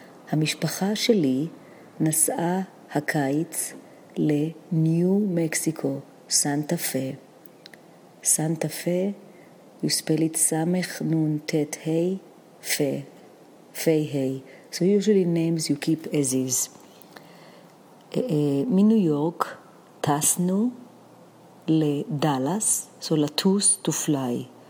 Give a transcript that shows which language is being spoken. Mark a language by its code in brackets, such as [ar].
[he] המשפחה שלי נסעה הקיץ לניו מקסיקו, סנטה פה. סנטה פה, [en] you spell it [he] סמך נון תת היי, פי היי. [en] So usually names you keep as is. [he] מניו יורק טסנו לדלס, so לטוס [en] to fly.